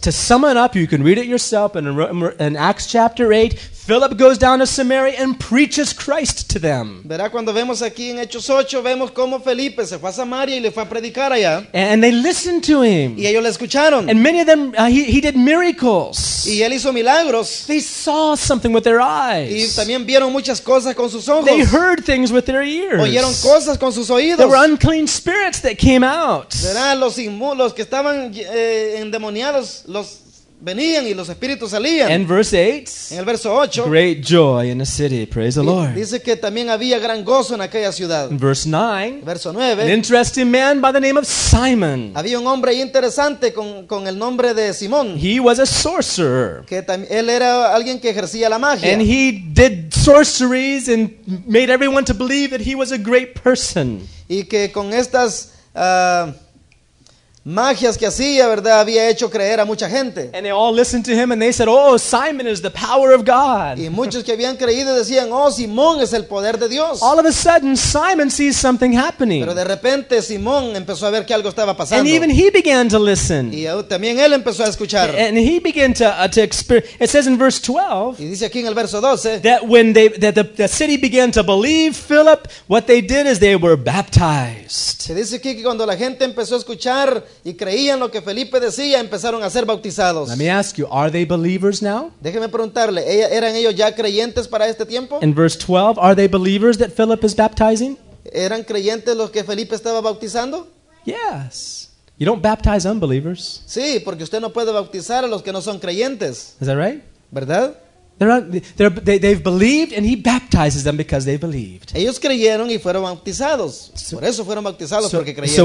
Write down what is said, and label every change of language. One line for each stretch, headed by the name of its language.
English: To sum it up, you can read it yourself in Acts chapter 8, Philip goes down to Samaria and preaches Christ to them.
Spanish: Verá, cuando vemos aquí en Hechos 8, vemos cómo Felipe se fue a Samaria y le fue a predicar allá.
English: And they listened to him.
Spanish: Y ellos le escucharon.
English: And many of them, he did miracles.
Spanish: Y él hizo milagros.
English: They saw something with their eyes.
Spanish: Y también vieron muchas cosas con sus ojos.
English: They heard things with their ears.
Spanish: Oyeron cosas con sus oídos.
English: There were unclean spirits that came out.
Spanish: Verá, los que estaban endemoniados, los venían y los espíritus salían.
English: And verse 8.
Spanish: En el verso 8.
English: Great joy in the city. Praise the Lord.
Spanish: Dice que también había gran gozo en aquella ciudad.
English: In verse 9.
Spanish: Verso 9.
English: An interesting man by the name of Simon.
Spanish: Había un hombre interesante con el nombre de Simón.
English: He was a sorcerer.
Spanish: Que él era alguien que ejercía la magia.
English: And he did sorceries and made everyone to believe that he was a great person.
Spanish: Y que con estas magias que hacía, ¿verdad? Había hecho creer a mucha gente.
English: And they all listened to him and they said, "Oh, Simon is the power of God."
Spanish: Y muchos que habían creído decían, "Oh, Simón es el poder de Dios."
English: All of a sudden, Simon sees something happening.
Spanish: Pero de repente Simón empezó a ver que algo estaba pasando.
English: And even he began to listen. Y también él empezó a escuchar. And he began to experience. It says in verse 12.
Spanish: Y dice aquí en el verso 12,
English: that when the city began to believe Philip, what they did is they were baptized.
Spanish: Se dice aquí que cuando la gente empezó a escuchar y creían lo que Felipe decía, empezaron a ser bautizados.
English: Let me ask you, are they believers now?
Spanish: Déjeme preguntarle, ¿eran ellos ya creyentes para este tiempo?
English: In verse 12, are they believers that Philip is baptizing?
Spanish: ¿Eran creyentes los que Felipe estaba bautizando?
English: Yes. You don't baptize unbelievers.
Spanish: Sí, porque usted no puede bautizar a los que no son creyentes.
English: Is that right?
Spanish: ¿Verdad?
English: They've believed and he baptizes them because they believed.
Spanish: Ellos creyeron y fueron bautizados. Por eso fueron bautizados, porque creyeron.